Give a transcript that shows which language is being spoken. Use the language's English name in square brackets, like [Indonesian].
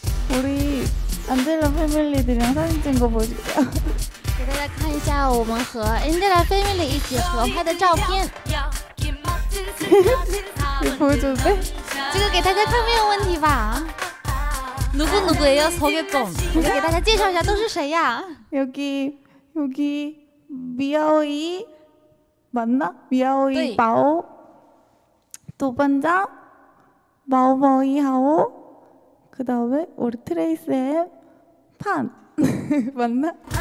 [Korean] 우리 안젤라 패밀리들이랑 사진 찍은 거 보실까요? [Chinese] 看一下我们和 Angela Family 一起合拍的照片。你不会准备？这个给大家看没有问题吧？ [Korean] 누구누구예요？소개좀。 [Chinese] 给大家介绍一下都是谁呀？ [Korean] 여기 미아오이 맞나? 미아오이 바오 도반장 마오마오이 하오 그다음에 우리 트레이스엠 판 맞나?